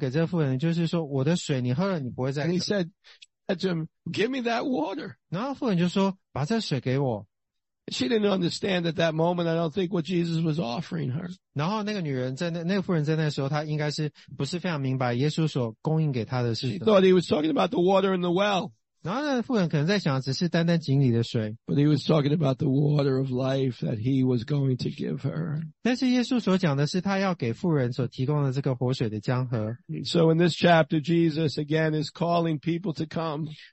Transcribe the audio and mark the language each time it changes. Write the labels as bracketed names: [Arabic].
[Chinese] 然后在那里面他就讲到说，耶稣能够给这个妇人，就是说我的水你喝了，你不会再渴。 [English] And he said to him, give me that water. [Chinese] 然后妇人就说，把这水给我。 [English] She didn't understand at that moment, I don't think, what Jesus was offering her. [Chinese] 然后那个女人在那个妇人在那时候，她应该是不是非常明白耶稣所供应给她的是。 [English] She thought he was talking about the water in the well. [Chinese] 然后那个妇人可能在想，只是单单井里的水。 [English] But he was talking about the water of life that he was going to give her. [Chinese] 但是耶稣所讲的是，他要给妇人所提供的这个活水的江河。 [English] So in this chapter, Jesus again is calling people to come.